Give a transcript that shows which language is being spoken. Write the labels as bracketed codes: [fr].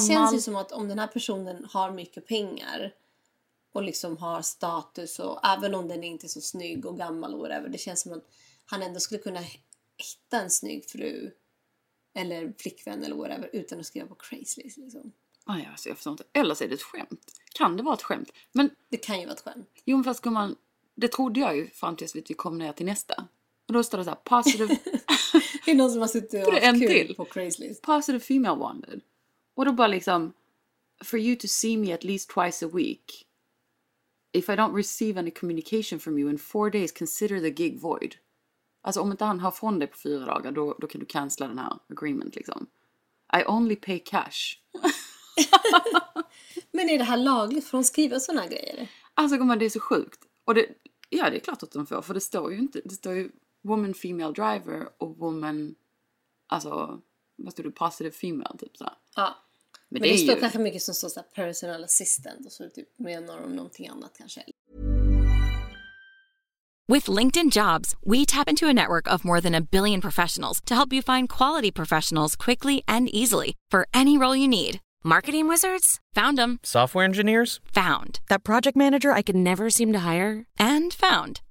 [sv] Det känns ju som att om den här personen har mycket pengar och liksom har status, och även om den inte är så snygg och gammal och whatever, det känns som att han ändå skulle kunna hitta en snygg fru eller flickvän eller whatever utan att skriva på Craigslist liksom. Ah, ja, så jag förstår inte. Eller så är det ett skämt. Kan det vara ett skämt? Men det kan ju vara ett skämt. Jo, men fast ska man, det trodde jag ju fram tills vi kom ner till nästa. Och då står det så här, positive... Det är någon som har suttit och haft kul på Craigslist. [en] Positive female wanted. [sv] Och då bara liksom, [en] for you to see me at least twice a week, if I don't receive any communication from you in 4 days, consider the gig void. [sv] Alltså om inte han har från dig på 4 dagar, då kan du cancella den här agreement liksom. [en] I only pay cash. [sv] Men är det här lagligt för att skriva sådana grejer? Alltså gumman, det är så sjukt. Och det, ja, det är klart att de får, för det står ju inte, det står ju woman female driver och woman, alltså vad står det, positive female typ så. Ja. Men det står ju kanske mycket som står så här, personal assistant, och så typ menar de någonting annat kanske. [en] With LinkedIn Jobs, we tap into a network of more than a billion professionals to help you find quality professionals quickly and easily for any role you need. Marketing wizards? Found them. Software engineers? Found. That project manager I could never seem to hire? And found.